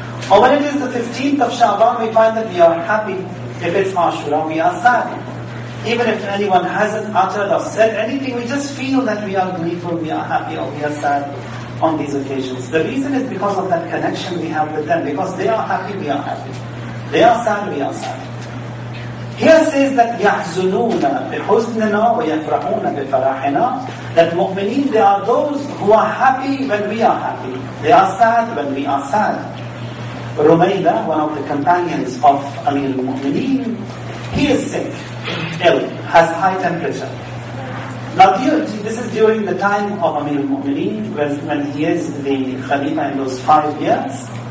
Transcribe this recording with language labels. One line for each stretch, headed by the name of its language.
English: Or when it is the 15th of Sha'ban, we find that we are happy. If it's Ashura, we are sad. Even if anyone hasn't uttered or said anything, we just feel that we are grateful, we are happy, or we are sad on these occasions. The reason is because of that connection we have with them. Because they are happy, we are happy. They are sad, we are sad. Here says that
Arabic: يَحْزُنُونَ بِحُزْنِنَا وَيَفْرَحُونَ بِفَرَحِنَا.
English: That mu'mineen, they are those who are happy when we are happy. They are sad when we are sad. Rumayla, one of the companions of Amir al-Mu'mineen, he is sick, ill, has high temperature. Now this is during the time of Amir al-Mu'mineen, when he is the Khalifa in those 5 years.